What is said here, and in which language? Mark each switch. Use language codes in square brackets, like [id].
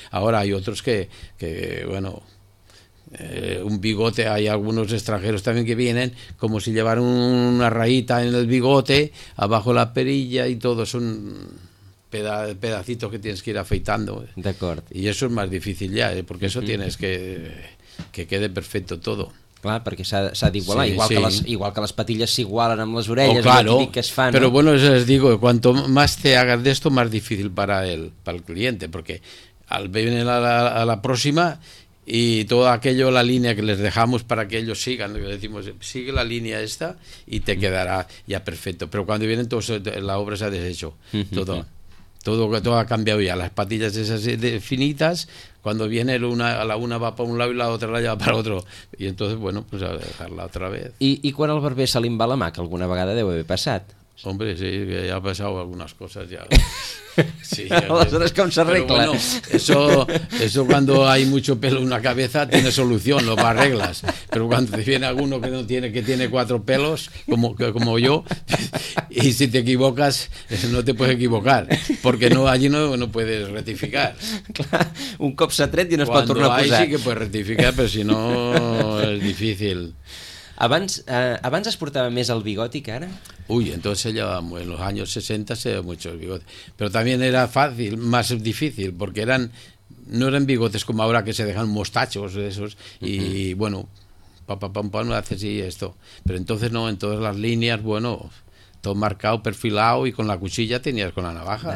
[es] Ahora hay otros que bueno... un bigote, hay algunos extranjeros también que vienen como si llevaran una rayita en el bigote abajo la perilla y todo son pedacitos que tienes que ir afeitando. De acuerdo. Y eso es más difícil ya, porque eso tienes que quede perfecto todo. [ca] Clar, perquè s'ha d'igualar, sí, igual, sí. Igual que les patilles s'igualen amb les orelles, [es] claro, [ca] amb el típic que es fa, no? [es] Pero bueno, les digo, cuanto más te hagas de esto, más difícil para el cliente, porque al venir a la próxima. Y todo aquello, la línea que les dejamos para que ellos sigan, le decimos, sigue la línea esta y te quedará ya perfecto. Pero cuando vienen, todo, la obra se ha deshecho. Todo ha cambiado ya. Las patillas esas finitas, cuando viene la una va para un lado y la otra la lleva para otro. Y entonces, bueno, pues a dejarla otra vez. [ca] ¿Y cuando el barber se li va la mà, que alguna vegada debe haver passat? Hombre, sí, que ja ha passat algunes coses ja. Sí, aleshores com s'arregla? [es] Bueno, eso cuando hay mucho pelo en una cabeza tiene solución, lo arreglas. Pero cuando te viene alguno que no tiene, que tiene cuatro pelos, como yo, y si te equivocas, no te puedes equivocar, porque no, allí no puedes rectificar. [ca] Clar, un cop s'ha tret i no es pot tornar a posar. [es] Cuando hay sí que puedes rectificar, pero si no, es difícil. [ca] Abans es portava més el bigoti que ara? [es] Uy, entonces en los años 60 se llevaba mucho el bigote. Pero también era fácil, más difícil, porque no eran bigotes como ahora que se dejan mostachos de esos. Y bueno, pam, hace así esto. Pero entonces no, en todas las líneas, bueno, todo marcado, perfilado y con la cuchilla tenías con la navaja.